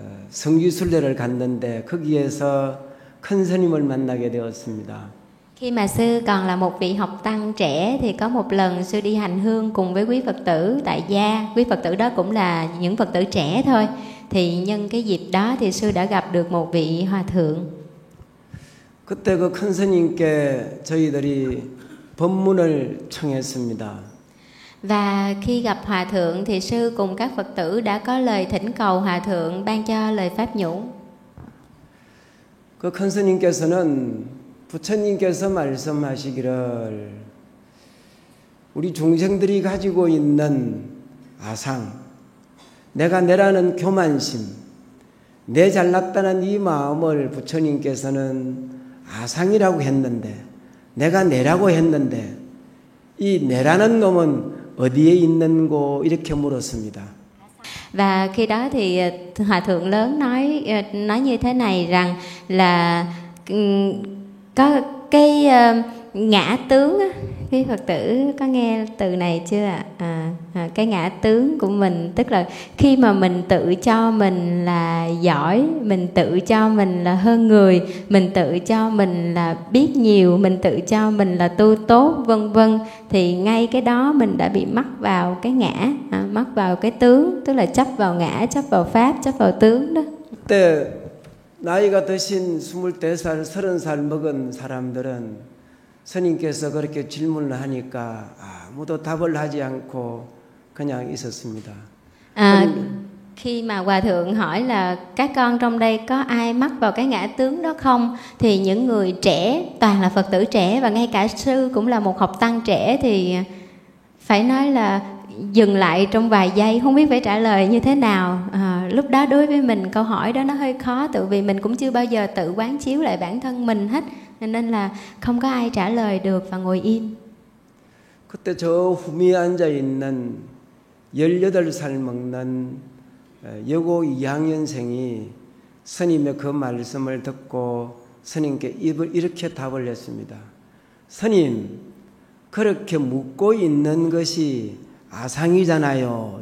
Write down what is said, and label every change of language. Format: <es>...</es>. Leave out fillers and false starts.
<ko>성지 순례를 갔는데 거기에서 큰 스님을 만나게 되었습니다.</ko> <vi>Khi mà sư còn là một vị học tăng trẻ thì có một lần sư đi hành hương cùng với quý Phật tử tại gia. Quý Phật tử đó cũng là những Phật tử trẻ thôi. Thì nhân cái dịp đó thì sư đã gặp được một vị hòa thượng.</vi> <ko>그때 그 큰 스님께 저희들이 법문을 청했습니다.</ko> <vi>Và khi gặp hòa thượng thì sư cùng các Phật tử đã có lời thỉnh cầu hòa thượng ban cho lời pháp nhũ.</vi> <ko>그 큰 스님께서는 부처님께서 말씀하시기를 우리 중생들이 가지고 있는 아상, 내가 내라는 교만심, 내 잘났다는 이 마음을 부처님께서는 아상이라고 했는데 내가 내라고 했는데 이 내라는 놈은 어디에 있는고 이렇게 물었습니다.</ko> <vi>Và khi đó thì hòa thượng lớn nói như thế này rằng là có cái ngã tướng, quý Phật tử có nghe từ này chưa ạ? Cái ngã tướng của mình, tức là khi mà mình tự cho mình là giỏi, mình tự cho mình là hơn người, mình tự cho mình là biết nhiều, mình tự cho mình là tu tốt, vân vân, thì ngay cái đó mình đã bị mắc vào cái ngã, mắc vào cái tướng, tức là chấp vào ngã, chấp vào pháp, chấp vào tướng đó.</vi> <ko>나이가 드신 24살, 30살 먹은 사람들은 스님께서 그렇게 질문을 하니까 아무도 답을 하지 않고 그냥 있었습니다.</ko> <vi>Khi mà hòa thượng hỏi là các con trong đây có ai mắc vào cái ngã tướng đó không, thì những người trẻ toàn là Phật tử trẻ và ngay cả sư cũng là một học tăng trẻ thì phải nói là dừng lại trong vài giây, không biết phải trả lời như thế nào. Lúc đó đối với mình câu hỏi đó nó hơi khó, tự vì mình cũng chưa bao giờ tự quán chiếu lại bản thân mình hết, nên là không có ai trả lời được và ngồi im.</vi> <ko>그때 저 후미 앉아 있는 18살 먹는 여고 2학년생이 스님의 그 말씀을 듣고 스님께 입을 이렇게 답을 했습니다. 스님, 그렇게 묻고 있는 것이 아상이잖아요.</ko>